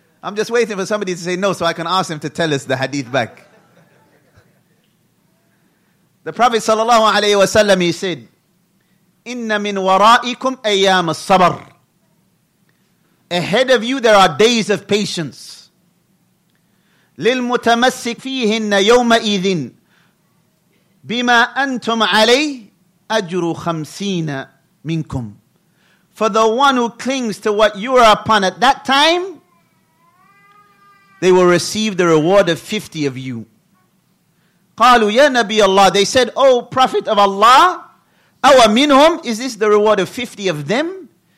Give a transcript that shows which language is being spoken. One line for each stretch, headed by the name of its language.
English: I'm just waiting for somebody to say no so I can ask him to tell us the hadith back. The Prophet sallallahu alayhi wa sallam, he said,
Arabic: إِنَّ مِنْ وَرَائِكُمْ أَيَّامَ الصَّبَرِ.
English: Ahead of you there are days of patience.
Arabic: للمتمسك فيهن يومئذ بما أنتم عليه أجر خمسين منكم.
English: For the one who clings to what you are upon at that time, they will receive the reward of 50 of you.
Arabic: قالوا يا نبي الله,
English: they said, O Prophet of Allah,
Arabic: أو منهم,
English: is this the reward of 50 of them?